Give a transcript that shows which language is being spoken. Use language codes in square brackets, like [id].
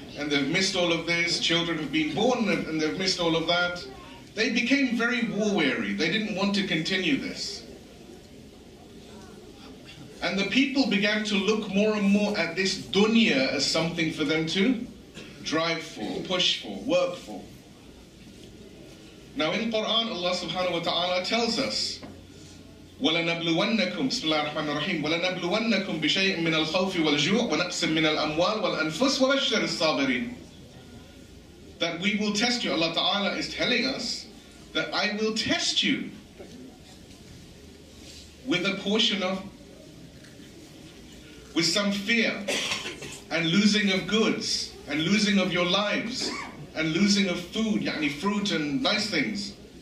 [en] and they've missed all of this. Children have been born and they've missed all of that. They became very war weary. They didn't want to continue this. And the people began to look more and more at this dunya as something for them to drive for, push for, work for. Now in Quran, Allah subhanahu wa ta'ala tells us, [ar] وَلَنَبْلُوَنَّكُمْ بِسْمِ اللَّهِ الرَّحْمَنِ الرَّحِيمِ وَلَنَبْلُوَنَّكُمْ بِشَيْءٍ مِّنَ الْخَوْفِ وَالْجُوعِ وَنَقْصٍ مِّنَ الْأَمْوَالِ وَالْأَنفُسِ وَبَشِّرِ الصَّابِرِينَ. [en] That we will test you. Allah ta'ala is telling us that I will test you with a portion of, with some fear and losing of goods and losing of your lives and losing of food, yani fruit and nice things.